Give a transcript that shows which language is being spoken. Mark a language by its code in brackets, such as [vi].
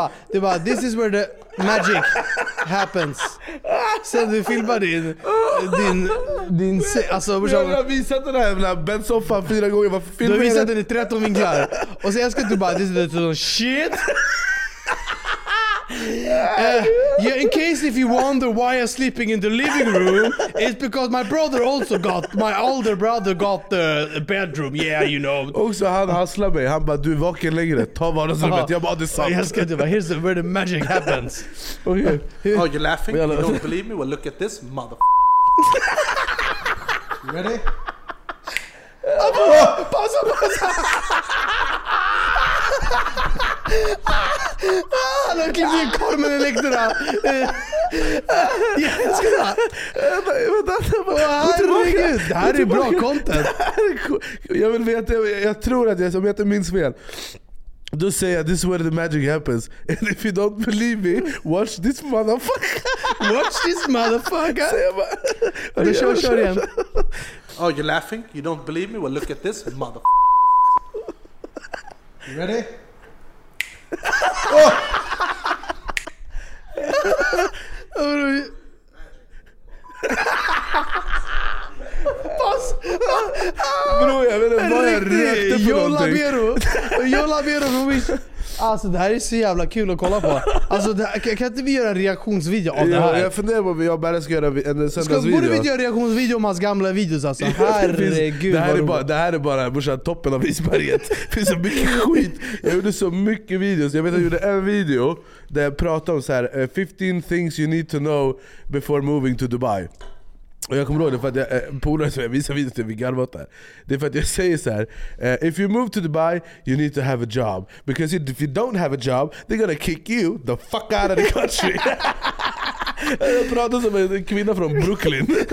[sv] Du bara, [en] this is where the magic happens. [sv] Sen du filmar din alltså, jag har visat den här jävla bäddsoffan fyra gånger. Du har visat den i 13 vinklar. Och sen ska du bara, [en] this is the shit. Yeah, in case if you wonder why I'm sleeping in the living room, it's because my brother also got, my older brother got the bedroom, yeah, you know. [sv] Också han hasslar mig, han bara, du är vaken längre, ta vardagsrummet, jag bara, det är sant. Jag ska inte, [en] here's where the magic happens. Okay. Oh, you're laughing? You don't believe me? Well, look at this, motherfucker. Ready? [sv] Pausa. Han har klippt in kormen i läktarna. Jag älskar det här. Herregud, det här är bra content. Jag vill veta, jag tror att jag, om jag inte minns fel, då säger jag, [en] this is where the magic happens. And if you don't believe me, watch this motherfucker. Watch this motherfucker. [sv] Vi kör igen. [en] Oh, you're laughing? You don't believe me? Well, look at this motherfucker. You ready? [sv] Pass. Bro, jag vet inte vad jag rökte på någonting. Jolla Vero. Alltså det här är så jävla kul att kolla på. Alltså det här, kan inte vi göra en reaktionsvideo av det här? Jag funderar på om jag bara ska göra en söndags video. Borde vi göra en reaktionsvideo om hans gamla videos alltså? Herregud. Det här är bara toppen av isberget. Det finns så mycket skit. Jag gjorde så mycket videos. Jag vet att jag gjorde en video där jag pratade om så här, [en] 15 things you need to know before moving to Dubai. [sv] Och jag kommer ihåg det för att jag polare som jag visar videon till, vi garvat där. Det är för att jag säger så här: [en] if you move to Dubai, you need to have a job. Because if you don't have a job, they're gonna kick you the fuck out of the country. [sv] Jag pratar som en kvinna från Brooklyn.